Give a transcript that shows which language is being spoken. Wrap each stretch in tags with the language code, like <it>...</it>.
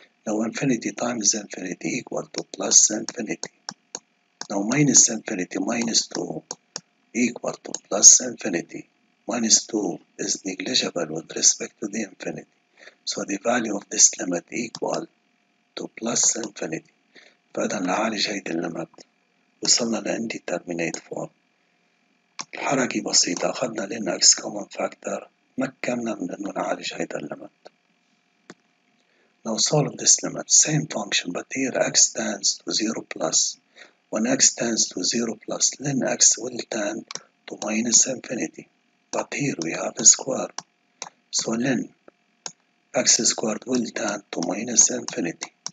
<en>Now infinity times infinity equal to plus infinity. Now minus infinity minus 2 equal to plus infinity. Minus 2 is negligible with respect to the infinity. So the value of this limit equal to plus infinity.</en> <ar>فإذا نعالج هيدا الليمت وصلنا لإنديترمينيت فورم. حركة بسيطة أخذنا لين أكس كومن فاكتور مكننا من أنه نعالج هيدا الليمت.</ar> <en>Now solve this limit. Same function, but here x tends to 0 plus. When x tends to 0 plus, ln x will tend to minus infinity. But here we have a square. So ln x squared will tend to minus infinity.</en>